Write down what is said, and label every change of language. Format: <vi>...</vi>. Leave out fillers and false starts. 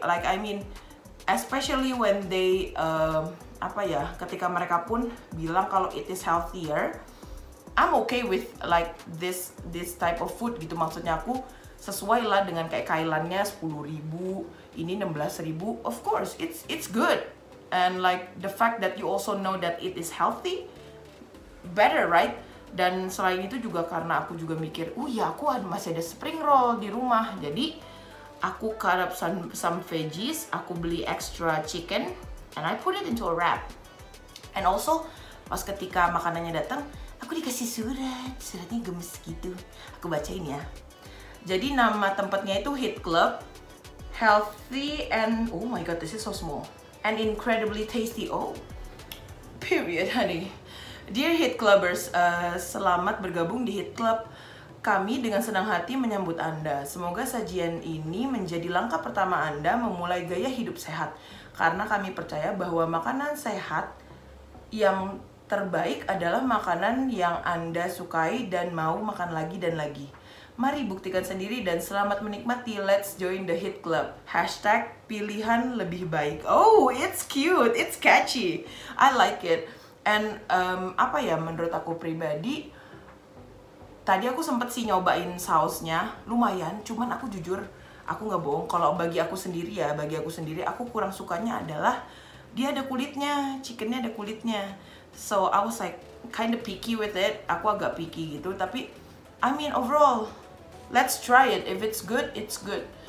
<en>Like, I mean, especially when they,</en> <id>ketika mereka pun bilang kalau</id> <en>it is healthier, I'm okay with like this type of food gitu.</en> <id>Maksudnya aku sesuai lah dengan kayak kailannya 10.000, ini 16.000,</id> <en>of course, it's good. And like the fact that you also know that it is healthy, better, right?</en> <id>Dan selain itu juga karena aku juga mikir, oh ya, aku masih ada spring roll di rumah. Jadi aku</id> <en>cut up some veggies,</en> <id>aku beli</id> <en>extra chicken, and I put it into a wrap. And also,</en> <id>pas ketika makanannya datang, aku dikasih surat. Suratnya gemes gitu. Aku bacain ya. Jadi nama tempatnya itu Hit Club.</id> <en>Healthy and, oh my god, this is so small. And incredibly tasty. Oh, period, honey.</en> <id>Dear Hit Clubbers, selamat bergabung di Hit Club. Kami dengan senang hati menyambut Anda. Semoga sajian ini menjadi langkah pertama Anda memulai gaya hidup sehat. Karena kami percaya bahwa makanan sehat yang terbaik adalah makanan yang Anda sukai dan mau makan lagi dan lagi. Mari buktikan sendiri dan selamat menikmati.</id> <en>Let's join the Hit Club.</en> <id>Hashtag pilihan lebih baik.</id> <en>Oh, it's cute. It's catchy. I like it.</en> <id>And menurut aku pribadi, tadi aku sempet sih nyobain sausnya, lumayan, cuman aku jujur, aku gak bohong, kalau bagi aku sendiri, aku kurang sukanya adalah dia ada kulitnya, chickennya ada kulitnya.</id> <en>So I was like kind of picky with it,</en> <id>aku agak picky gitu,</id> <en>tapi I mean overall, let's try it, if it's good, it's good.</en>